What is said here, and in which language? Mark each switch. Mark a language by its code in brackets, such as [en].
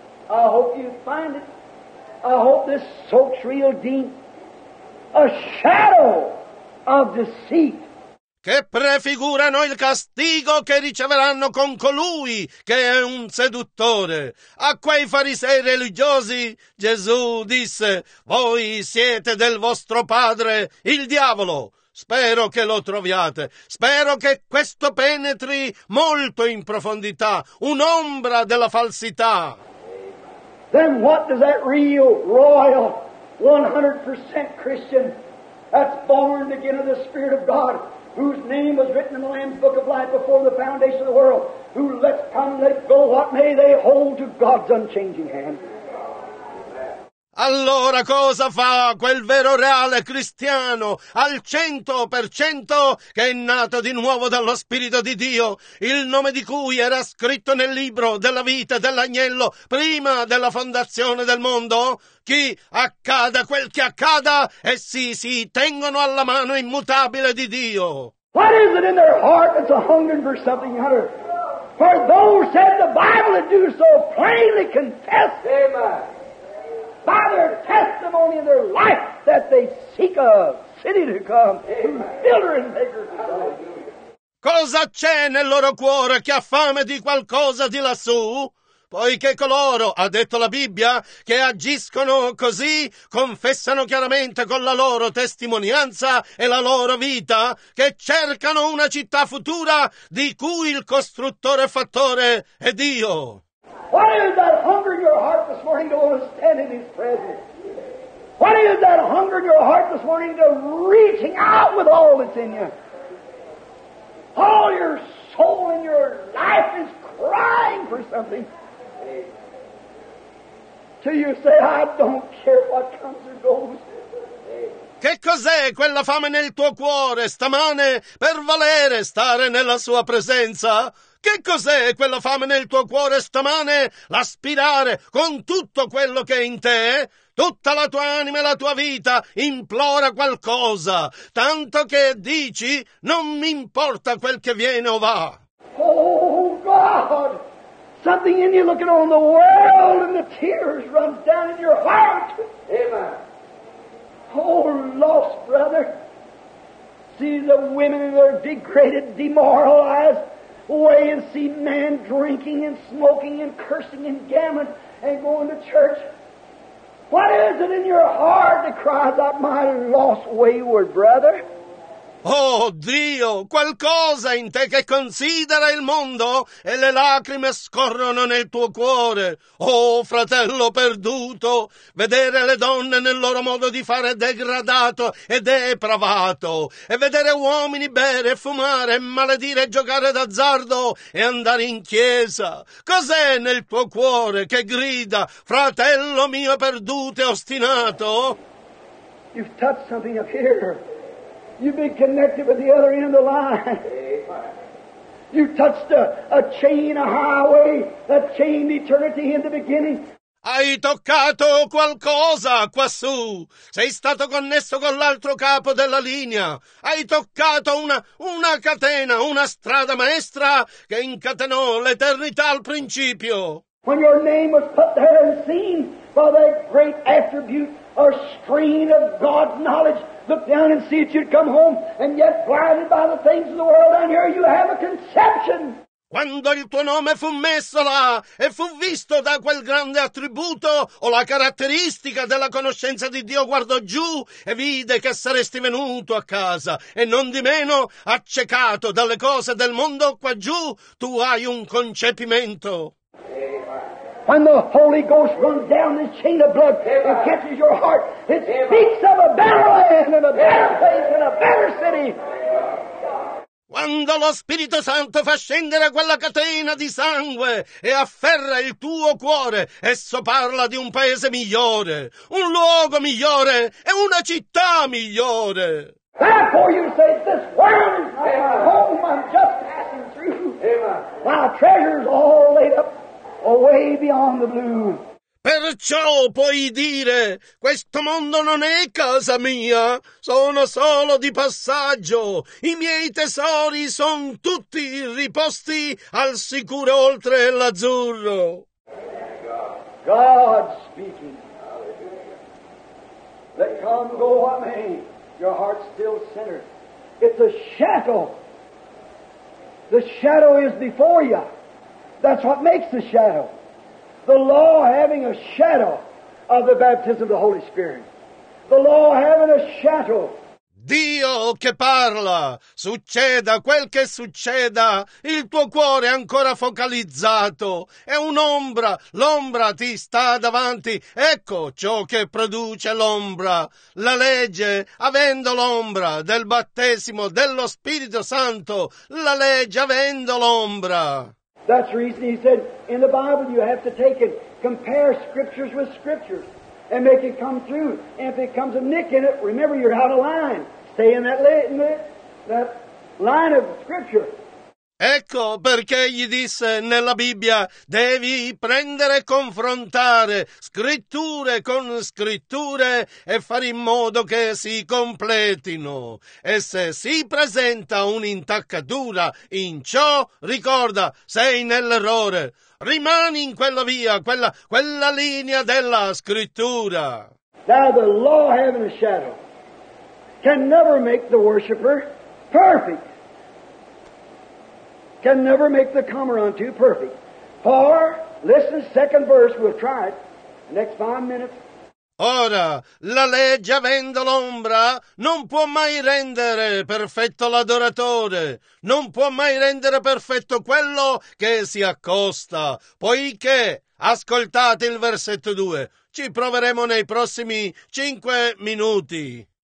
[en] I hope you find it. I hope this soaks real deep. A shadow of deceit. [it] Che prefigurano il castigo che riceveranno con colui che è un seduttore. A quei farisei religiosi Gesù disse: voi siete del vostro padre il diavolo. Spero che lo troviate. Spero che questo penetri molto in profondità, un'ombra della falsità. [en] Then what does that real, royal, 100% Christian that's born again of the Spirit of God, whose name was written in the Lamb's Book of Life before the foundation of the world, who let come, let go, what may they hold to God's unchanging hand? [it] Allora cosa fa quel vero reale cristiano al 100% che è nato di nuovo dallo Spirito di Dio, il nome di cui era scritto nel libro della vita dell'agnello prima della fondazione del mondo? Chi accada quel che accada, essi si tengono alla mano immutabile di Dio. [en] What is it in their heart that's a hungering for something other? For those said the Bible do so plainly confess. Amen. By their testimony in their life that they seek a city to come, builder and maker. [it] Cosa c'è nel loro cuore che ha fame di qualcosa di lassù? Poiché coloro, ha detto la Bibbia, che agiscono così, confessano chiaramente con la loro testimonianza e la loro vita, che cercano una città futura di cui il costruttore e fattore è Dio. [en] What is that hunger in your heart this morning to want to stand in His presence? What is that hunger in your heart this morning to reaching out with all that's in you? All your soul and your life is crying for something. Till you say, I don't care what comes or goes. [it] Che cos'è quella fame nel tuo cuore stamane per valere stare nella sua presenza? Che cos'è quella fame nel tuo cuore stamane, l'aspirare con tutto quello che è in te? Tutta la tua anima e la tua vita implora qualcosa, tanto che dici, non mi importa quel che viene o va. [en] Oh God, something in you looking on the world and the tears run down in your heart. Amen. Oh lost brother, see the women in their degraded, demoralized way and see men drinking and smoking and cursing and gambling and going to church. What is it in your heart that cries out, my lost wayward brother? [it] Oh Dio, qualcosa in te che considera il mondo e le lacrime scorrono nel tuo cuore. Oh fratello perduto, vedere le donne nel loro modo di fare degradato e depravato e vedere uomini bere, fumare, maledire, giocare d'azzardo e andare in chiesa. Cos'è nel tuo cuore che grida, fratello mio perduto e ostinato? [en] You've touched something up here. You've been connected with the other end of the line. You touched a chain, a highway that chained eternity in the beginning. [it] Hai toccato qualcosa quassù. Sei stato connesso con l'altro capo della linea. Hai toccato una catena, una strada maestra che incatenò l'eternità al principio. [en] When your name was put there and seen by that great attribute or screen of God's knowledge, look down and see that you'd come home, and yet blinded by the things of the world down here, you have a conception. [it] quando il tuo nome fu messo là e fu visto da quel grande attributo o la caratteristica della conoscenza di Dio, guardò giù e vide che saresti venuto a casa, e non di meno accecato dalle cose del mondo qua giù, tu hai un concepimento. [en] When the Holy Ghost runs down this chain of blood and catches your heart, it speaks of a better land and a better place and a better city. [it] Quando lo Spirito Santo fa scendere quella catena di sangue e afferra il tuo cuore, esso parla di un paese migliore, un luogo migliore e una città migliore. [en] Therefore you say, this world is my home, I'm just passing through. Amen. My treasure's all laid up away beyond the blue. [it] Perciò puoi dire, questo mondo non è casa mia, sono solo di passaggio, i miei tesori sono tutti riposti al sicuro oltre l'azzurro. [en] God speaking, let come go what may, your heart's still centered. It's a shadow. The shadow is before you. That's what makes the shadow. The law having a shadow of the baptism of the Holy Spirit. The law having a shadow. [it] Dio che parla, succeda quel che succeda, il tuo cuore è ancora focalizzato, è un'ombra, l'ombra ti sta davanti, ecco ciò che produce l'ombra, la legge, avendo l'ombra del battesimo dello Spirito Santo, la legge avendo l'ombra. [en] That's the reason he said, in the Bible you have to take and compare scriptures with scriptures and make it come through. And if it comes a nick in it, remember you're out of line. Stay in that line of scripture. [it] Ecco perché gli disse nella Bibbia, devi prendere e confrontare scritture con scritture e fare in modo che si completino. E se si presenta un'intaccatura in ciò, ricorda, sei nell'errore. Rimani in quella via, quella linea della scrittura. [en] Now the law having a shadow can never make the worshipper perfect. Can never make the comer unto perfect. For, listen, second verse, we'll try it, the next 5 minutes. [it] Ora, la legge avendo l'ombra non può mai rendere perfetto l'adoratore, non può mai rendere perfetto quello che si accosta, poiché, ascoltate il versetto 2, ci proveremo nei prossimi 5 minuti.